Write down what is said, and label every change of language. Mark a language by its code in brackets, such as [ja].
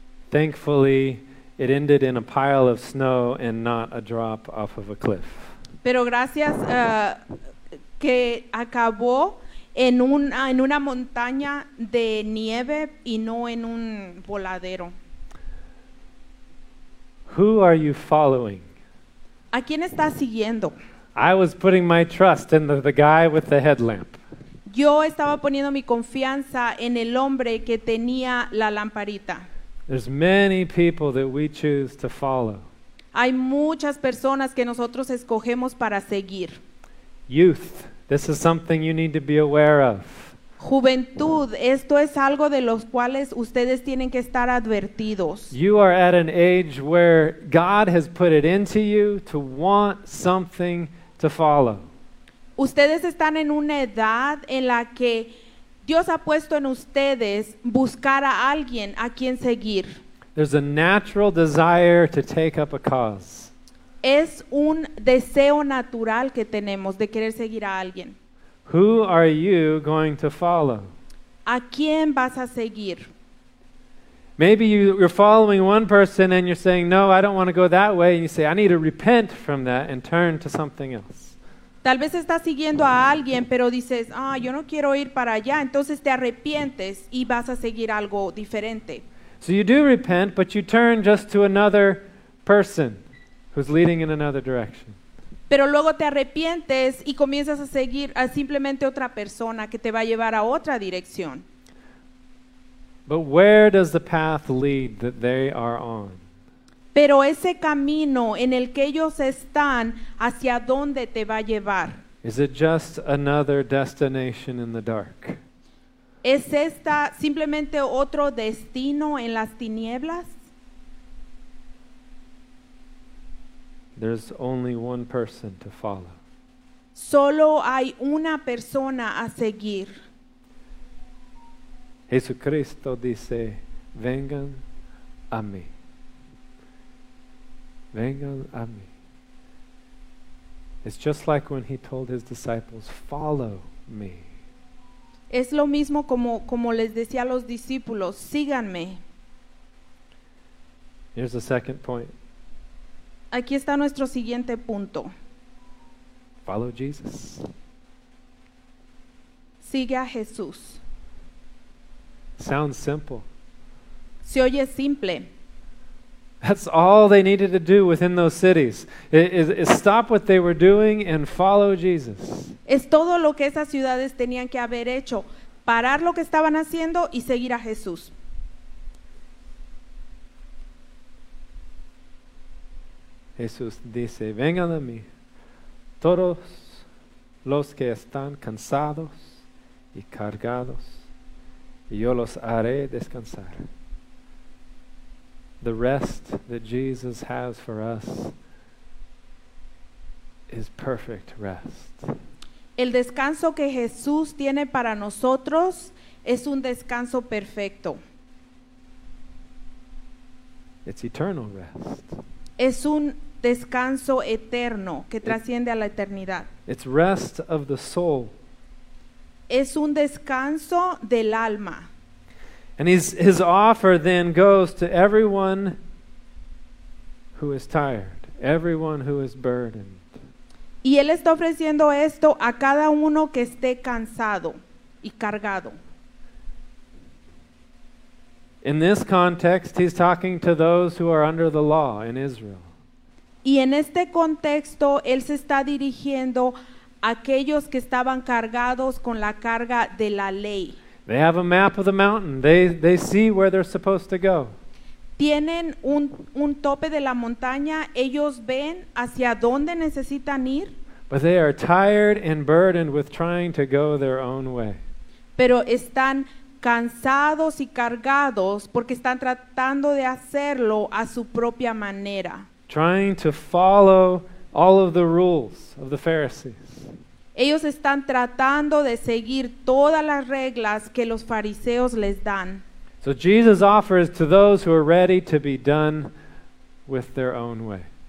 [en] Thankfully, it ended in a pile of snow and not a drop off of a cliff. [es] Pero gracias que acabó en una montaña de nieve y no en un voladero. [en] Who are you following? [es] ¿A quién estás siguiendo? [en] I was putting my trust in the guy with the headlamp. [es] Yo estaba poniendo mi confianza en el hombre que tenía la lamparita. [en] There's many people that we choose to follow. [es] Hay muchas personas que nosotros escogemos para seguir. [en] Youth, this is something you need to be aware of. [es] Juventud, esto es algo de los cuales ustedes tienen que estar advertidos. [en] You are at an age where God has put it into you to want something to follow. [es] Ustedes están en una edad en la que Dios ha puesto en ustedes buscar a alguien a quien seguir. [en] There's a natural desire to take up a cause. [es] Es un deseo natural que tenemos de querer seguir a alguien. [en] Who are you going to follow? [es] ¿A quién vas a seguir? [en] Maybe you're following one person and you're saying, no, I don't want to go that way. And you say, I need to repent from that and turn to something else. [es] Tal vez estás siguiendo a alguien, pero dices, ah, yo no quiero ir para allá. Entonces te arrepientes y vas a seguir algo diferente. [en] So you do repent, but you turn just to another person who's leading in another direction. [es] Pero luego te arrepientes y comienzas a seguir a simplemente otra persona que te va a llevar a otra dirección. [en] But where does the path lead that they are on? [es] Pero ese camino en el que ellos están, ¿hacia dónde te va a llevar? [en] Is it just another destination in the dark? [es] ¿Es esta simplemente otro destino en las tinieblas? [en] There's only one person to follow. [es] Solo hay una persona a seguir. Jesucristo dice, vengan a mí. Vengan a mí. [en] It's just like when he told his disciples, follow me. [es] Es lo mismo como les decía a los discípulos, síganme. [en] Here's the second point. [es] Aquí está nuestro siguiente punto. [en] Follow Jesus. [es] Sigue a Jesús. [en] Sounds simple. [es] Se oye simple. [en] That's all they needed to do within those cities. Is stop what they were doing and follow Jesus. [es] Es todo lo que esas ciudades tenían que haber hecho, parar lo que estaban haciendo y seguir a Jesús. Jesús dice, "Vengan a mí todos los que están cansados y cargados, y yo los haré descansar." [en] The rest that Jesus has for us is perfect rest. [es] El descanso que Jesús tiene para nosotros es un descanso perfecto. [en] It's eternal rest. [es] Es un descanso eterno que trasciende a la eternidad. [en] It's rest of the soul. [es] Es un descanso del alma. [en] And his offer then goes to everyone who is tired, everyone who is burdened. [es] Y él está ofreciendo esto a cada uno que esté cansado y cargado. [en] In this context, he's talking to those who are under the law in Israel. [es] Y en este contexto, él se está dirigiendo a aquellos que estaban cargados con la carga de la ley. [en] They have a map of the mountain. They see where they're supposed to go. [es] Tienen un tope de la montaña. Ellos ven hacia dónde necesitan ir. [en] But they are tired and burdened with trying to go their own way. [es] Pero están cansados y cargados porque están tratando de hacerlo a su propia manera. [en] Trying to follow all of the rules of the Pharisees. [es] Ellos están tratando de seguir todas las reglas que los fariseos les dan. [en] So Jesus offers to those who are ready to be done with their own way.